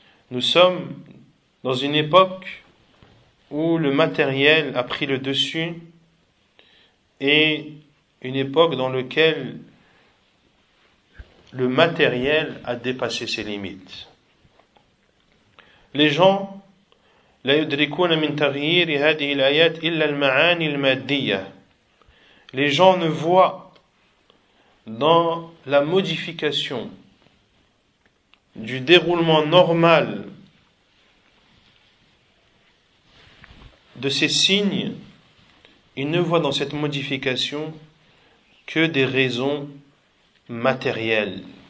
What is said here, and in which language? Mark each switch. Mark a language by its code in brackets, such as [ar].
[fr] Nous sommes dans une époque où le matériel a pris le dessus et une époque dans laquelle le matériel a dépassé ses limites. Les gens [ar] لا يدركون من تغيير هذه الآيات إلا المعاني المادية. [fr] Les gens ne voient dans la modification du déroulement normal de ces signes, ils ne voient dans cette modification que des raisons matérielles.